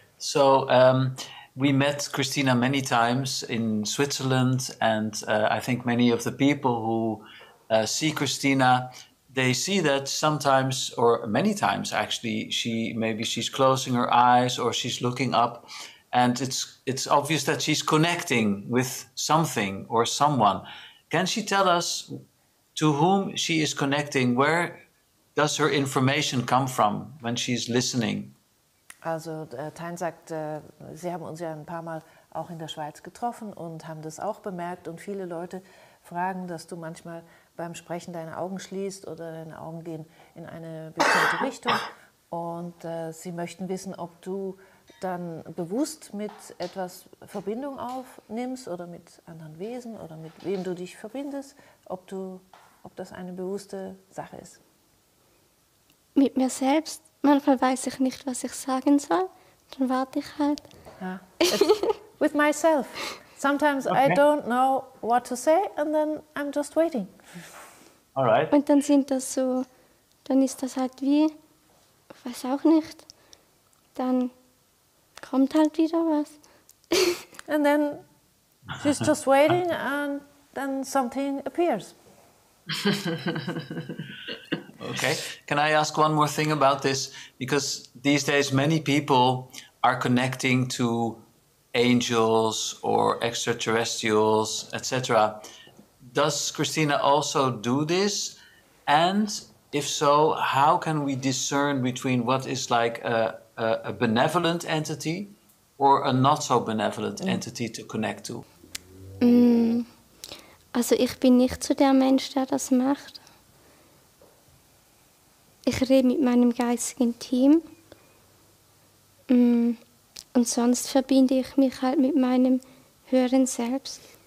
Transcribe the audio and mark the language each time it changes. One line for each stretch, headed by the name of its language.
English: So, we met Christina many times in Switzerland, and I think many of the people who see Christina, they see that sometimes, or many times actually, she's closing her eyes or she's looking up, and it's obvious that she's connecting with something or someone. Can she tell us to whom she is connecting? Where does her information come from when she's listening?
German: Also, Tein sagt, sie haben uns ja ein paar Mal auch in der Schweiz getroffen und haben das auch bemerkt. Und viele Leute fragen, dass du manchmal beim Sprechen deine Augen schließt oder deine Augen gehen in eine bestimmte Richtung. Und sie möchten wissen, ob du dann bewusst mit etwas Verbindung aufnimmst oder mit anderen Wesen oder mit wem du dich verbindest, ob das eine bewusste Sache ist. Mit mir selbst. Manchmal weiß ich nicht, was ich sagen soll. Dann warte ich halt.
English: Ah, it's with myself. Sometimes I Okay. don't know what to say and then I'm just waiting. All right.
German: Und dann sind das so, dann ist das halt wie, ich weiß auch nicht, dann kommt halt wieder
English: And then she's just waiting and then something appears. Okay, can I ask one more thing about this? Because these days many people are connecting to angels or extraterrestrials, etc. Does Christina also do this? And if so, how can we discern between what is like a benevolent entity or a not so benevolent entity to connect to?
German: Also ich bin nicht so der Mensch, der das macht. Ich rede mit meinem geistigen Team. Und sonst verbinde ich mich halt mit meinem höheren Selbst.